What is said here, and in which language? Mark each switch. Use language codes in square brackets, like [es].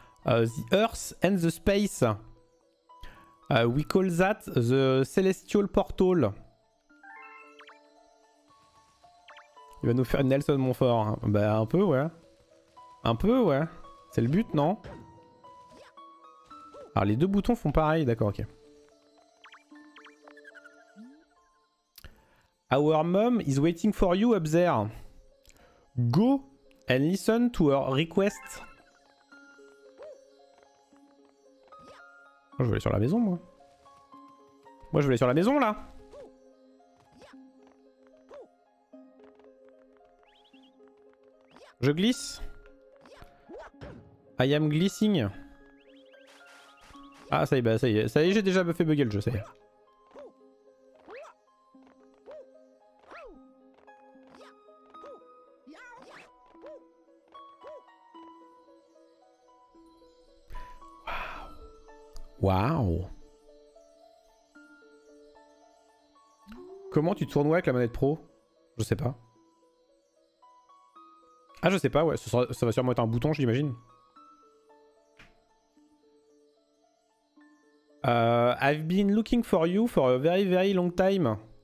[en] The Earth and the Space. We call that the Celestial Portal. [fr] Il va nous faire une Nelson Montfort. Bah un peu ouais. Un peu ouais. C'est le but non? Alors les deux boutons font pareil, d'accord ok. [en] Our mom is waiting for you up there. Go and listen to her request. [fr] Je voulais sur la maison, moi. Moi, je voulais sur la maison, là. Je glisse. [en] I am glissing. [fr] Ah ça y est, bah, ça y est, ça y est, j'ai déjà fait bugger le jeu, ça y est. Waouh. Comment tu tournes avec la manette pro? Je sais pas. Ah je sais pas, ouais, ça va sûrement être un bouton, j'imagine. [en] I've been looking for you for a very very long time.